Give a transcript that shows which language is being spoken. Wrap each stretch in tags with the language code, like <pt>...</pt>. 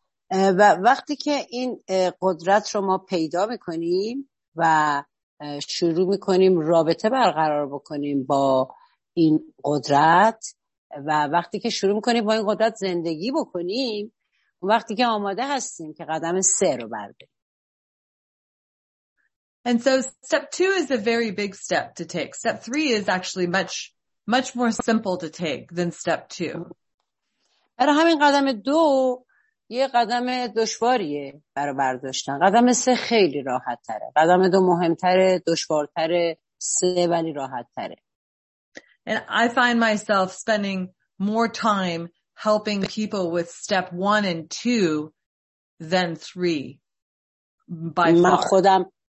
<fa>و وقتی که این قدرت رو ما پیدا میکنیم و شروع میکنیم رابطه برقرار بکنیم با این قدرت و وقتی که شروع میکنیم با این قدرت زندگی بکنیم، وقتی که آماده هستیم که قدم 3 رو برداریم.</fa> <en>And so step 2 is a very big step to take. Step 3 is actually much much more simple to take than step 2.</en> <fa>برای همین قدم 2 یه قدم دشواریه برای برداشتن. قدم 3 خیلی راحت تره. قدم 2 مهمتره، دشوارتره، 3 ولی راحت تره.</fa> <en>And I find myself spending more time helping people with step 1 and 2 than 3 by far.</en>